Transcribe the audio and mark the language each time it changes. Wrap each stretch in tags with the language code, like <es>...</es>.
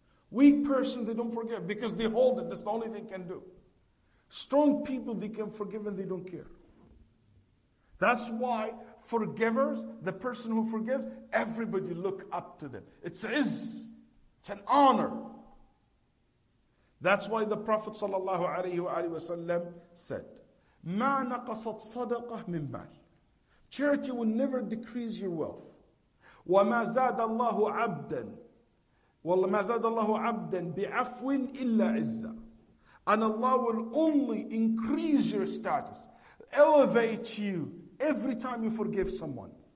<en>Weak person, they don't forgive because they hold it. That's the only thing they can do. Strong people, they can forgive and they don't care. That's why forgivers, the person who forgives, everybody look up to them. It's an honor. That's why the Prophet ﷺ said,</en> <ar>مَا نَقَصَتْ صَدَقَةً مِنْ مَالٍ.</ar> <en>Charity will never decrease your wealth.</en> <ar>وَمَا زَادَ اللَّهُ عَبْدًا وَمَا زَادَ اللَّهُ عَبْدًا بِعَفْوٍ إِلَّا عِزَّةٍ.</ar> <en>And Allah will only increase your status, elevate you every time you forgive someone.</en>